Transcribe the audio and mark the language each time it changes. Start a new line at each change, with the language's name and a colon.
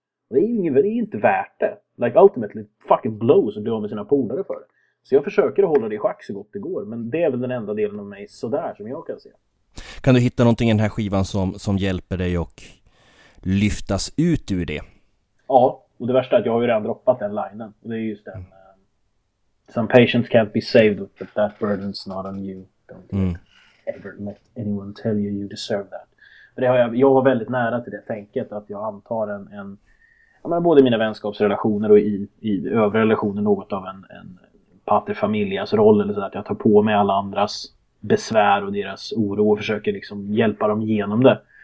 Swedish: Det är inte värt det.
English: Like ultimately fucking blows
Swedish: och blir av med sina polare för det. Så jag försöker att hålla det i schack så gott det går. Men det är väl den enda delen av mig sådär som jag kan se. Kan du hitta någonting i den här skivan som hjälper dig och lyftas ut ur det? Ja, och det värsta är att jag har ju redan droppat den linen. Och det är just den.
English: Some patients can't be saved, but that burden's not on you. Don't ever let anyone tell you you deserve that.
Swedish: Men det har jag var väldigt nära till det tänket att jag antar en både i mina vänskapsrelationer och i övriga relationer något av en pater familias roll eller så där, att jag tar på mig alla andras besvär och deras oro och försöker liksom hjälpa dem genom det.